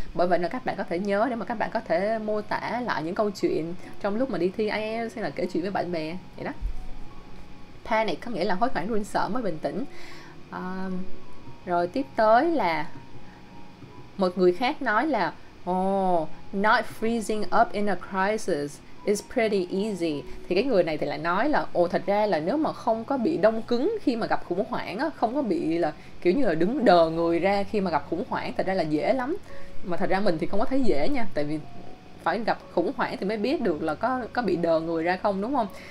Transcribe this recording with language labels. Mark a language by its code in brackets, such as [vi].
[vi] Bởi vậy là các bạn có thể nhớ để mà các bạn có thể mô tả lại những câu chuyện trong lúc mà đi thi IELTS hay là kể chuyện với bạn bè vậy đó. Panic có nghĩa là hốt hoảng, run sợ, mới bình tĩnh. Rồi tiếp tới là một người khác nói là [en] Not freezing up in a crisis is pretty easy. [vi] Thì cái người này thì lại nói là ồ, thật ra là nếu mà không có bị đông cứng khi mà gặp khủng hoảng á, không có bị là kiểu như là đứng đờ người ra khi mà gặp khủng hoảng, thật ra là dễ lắm. Mà thật ra mình thì không có thấy dễ nha, tại vì phải gặp khủng hoảng thì mới biết được là có bị đờ người ra không, đúng không?